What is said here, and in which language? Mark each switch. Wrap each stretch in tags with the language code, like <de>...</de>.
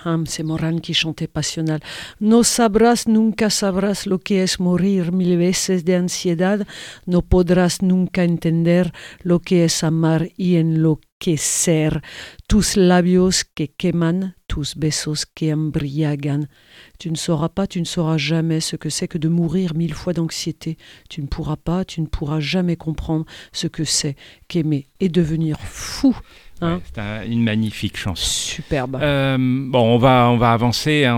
<fr>Hein, c'est Morán qui chantait Passional.</fr> <es>No sabrás, nunca sabrás lo que es morir mil veces de ansiedad. No podrás nunca entender lo que es amar y enloquecer. Tus labios que queman, tus besos que embriagan.</es> <fr>Tu ne sauras pas, tu ne sauras jamais ce que c'est que de mourir mille fois d'anxiété. Tu ne pourras pas, tu ne pourras jamais comprendre ce que c'est qu'aimer et devenir fou. Hein? Ouais, c'est une magnifique chanson. Superbe. Bon, on va avancer. Hein,</fr>